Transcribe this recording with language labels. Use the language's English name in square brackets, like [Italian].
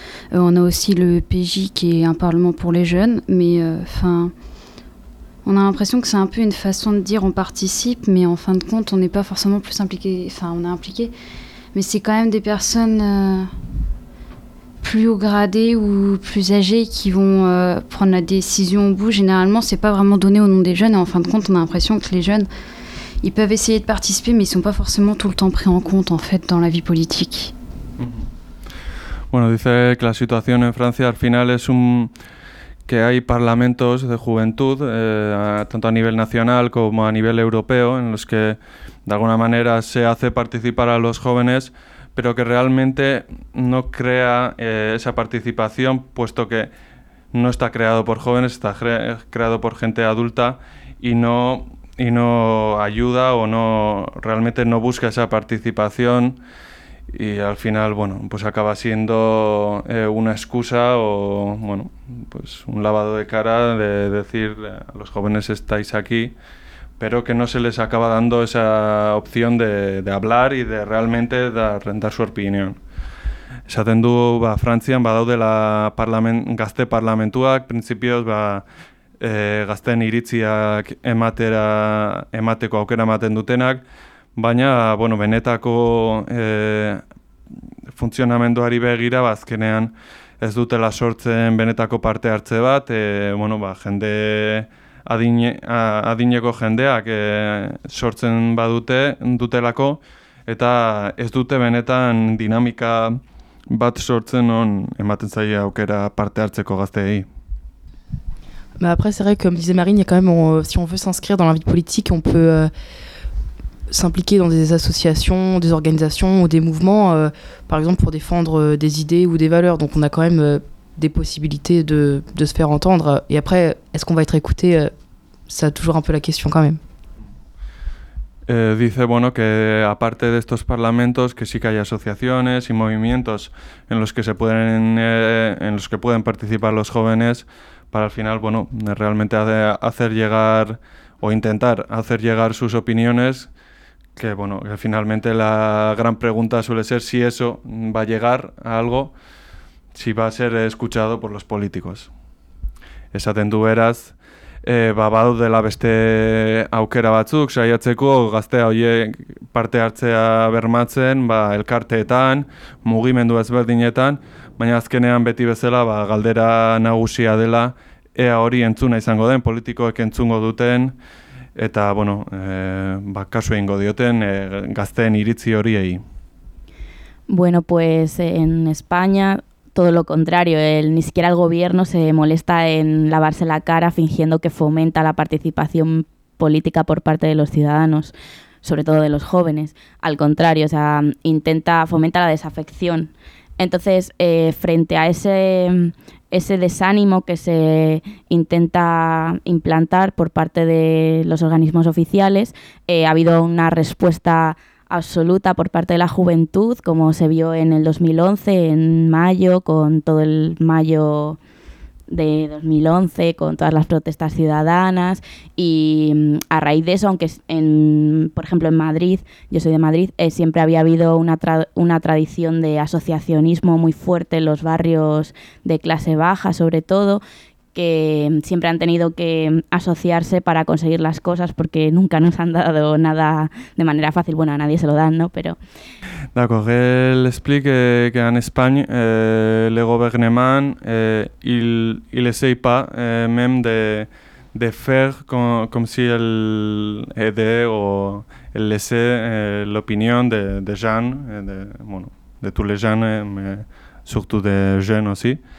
[French] On a aussi le PJ qui est un parlement pour les jeunes, mais enfin, on a l'impression que c'est un peu une façon de dire on participe, mais en fin de compte on n'est pas forcément plus impliqué, enfin on est impliqué, mais c'est quand même des personnes plus haut gradés ou plus âgés qui vont prendre la décision au bout. Généralement, c'est pas vraiment donné au nom des jeunes. Et en fin de compte, on a l'impression que les jeunes, ils peuvent essayer de participer, mais ils sont pas forcément tout le temps pris en compte, en fait, dans la vie politique. [Spanish] Bueno, dice que la situación en Francia al final es un que hay parlamentos de juventud tanto a nivel nacional como a nivel europeo en los que de alguna manera se hace participar a los jóvenes, pero que realmente no crea esa participación, puesto que no está creado por jóvenes, está creado por gente adulta y no ayuda o no realmente no busca esa participación, y al final, bueno, pues acaba siendo una excusa o, bueno, pues un lavado de cara de decir a los jóvenes estáis aquí, pero que no se les acaba dando esa opción de hablar y de realmente dar su opinión. [Basque] Esaten du, ba, Frantzian badaudela gazte parlamentuak, principios, ba, gazten iritziak emateko aukera ematen dutenak, baina, bueno, benetako funtzionamenduari begira, ba, azkenean ez dutela sortzen benetako parte hartze bat, bueno, ba, jende adineko jendeak sortzen badute dutelako, eta ez dute benetan dinamika bat sortzen on ematen zaie aukera parte hartzeko gazteei. [French] Mais après c'est vrai que, comme disait Marine, il y a quand même si on veut s'inscrire dans la vie politique, on peut s'impliquer dans des associations, des organisations ou des mouvements par exemple pour défendre des idées ou des valeurs. Donc on a quand même des possibilités de se faire entendre. Et après, est-ce qu'on va être écouté? Ça a toujours un peu la question quand même. [Spanish] Dice, bueno, que aparte de estos parlamentos, que sí que hay asociaciones y movimientos en los que se pueden en los que pueden participar los jóvenes para al final, bueno, realmente hacer llegar o intentar hacer llegar sus opiniones, que bueno, que finalmente la gran pregunta suele ser si eso va a llegar a algo, si va a ser escuchado por los políticos. [Basque] Esaten du, beraz, badaudela beste aukera batzuk saiatzeko gaztea horiek parte hartzea bermatzen, ba, elkarteetan, mugimendu ezberdinetan, baina azkenean beti bezala, ba, galdera nagusia dela ea hori entzuna izango den, politikoek entzungo duten, eta bueno, ba, kasu egingo dioten gazteen iritzi horiei. [Spanish] Bueno, pues en España todo lo contrario, ni siquiera el gobierno se molesta en lavarse la cara fingiendo que fomenta la participación política por parte de los ciudadanos, sobre todo de los jóvenes. Al contrario, o sea, intenta fomentar la desafección. Entonces, frente a ese desánimo que se intenta implantar por parte de los organismos oficiales, ha habido una respuesta absoluta por parte de la juventud, como se vio en el 2011, en mayo, con todo el mayo de 2011, con todas las protestas ciudadanas, y a raíz de eso, aunque en, por ejemplo, en Madrid, yo soy de Madrid, siempre había habido una tradición de asociacionismo muy fuerte en los barrios de clase baja, sobre todo, que siempre han tenido que asociarse para conseguir las cosas porque nunca nos han dado nada de manera fácil. Bueno, a nadie se lo dan, ¿no? Pero [French] d'accord, él explique que en España le gouvernement il essaye pas même de faire comme si el aide o el laisser l'opinion de jeunes, de bueno, de tous les jeunes, surtout de jeunes aussi.